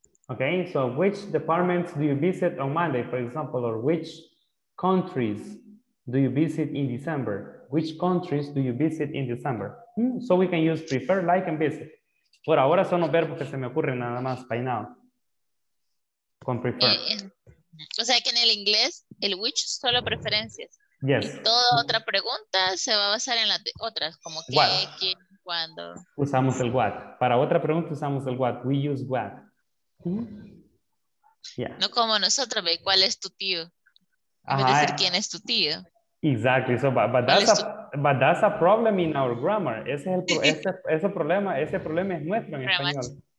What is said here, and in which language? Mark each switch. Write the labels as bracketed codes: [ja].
[en] Okay, so which departments do you visit on Monday, for example, or which countries do you visit in December? Which countries do you visit in December? So we can use prefer, like, and visit. [es] Por ahora son los verbos que se me ocurren nada más, [en] by now. [es] Con prefer. O sea que en el inglés, el which solo preferencias. [en] Yes. [es] Y toda otra pregunta se va a basar en las otras, como qué, quién, cuándo. Usamos el what. Para otra pregunta usamos el what. [en] We use what. Yeah. [es] No como nosotros, ve cuál es tu tío. Ajá. Decir quién es tu tío. [en] Exactly. So, but that's a problem in our grammar. [es] Ese es el ese problema es nuestro en español.